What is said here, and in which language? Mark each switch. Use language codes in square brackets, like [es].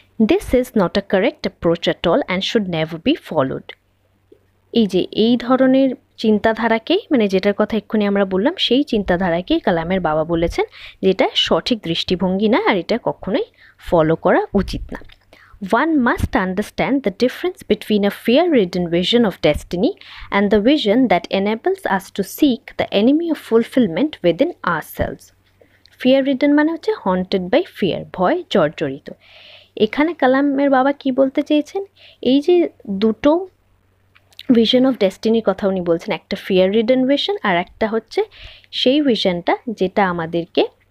[en] This is not a correct approach at all and should never be followed. [bn] এই যে এই ধরনের চিন্তাধারাকে, মানে যেটার কথা এক্ষুনি আমরা বললাম, সেই চিন্তাধারাকেই কালামের বাবা বলেছেন যে এটা সঠিক দৃষ্টিভঙ্গি না আর এটা কখনোই ফলো করা উচিত না। [en] One must understand the difference between a fear-ridden vision of destiny and the vision that enables us to seek the enemy of fulfillment within ourselves. [bn] Fear-ridden মানে হচ্ছে [en] haunted by fear, [bn] ভয় জর্জরিত। এখানে কালামের বাবা কি বলতে চেয়েছেন, এই যে দুটো ভিশন অফ ডেস্টিনির কথা উনি বলছেন, একটা [en] fear-ridden vision [bn] আর একটা হচ্ছে সেই ভিশনটা যেটা আমাদেরকে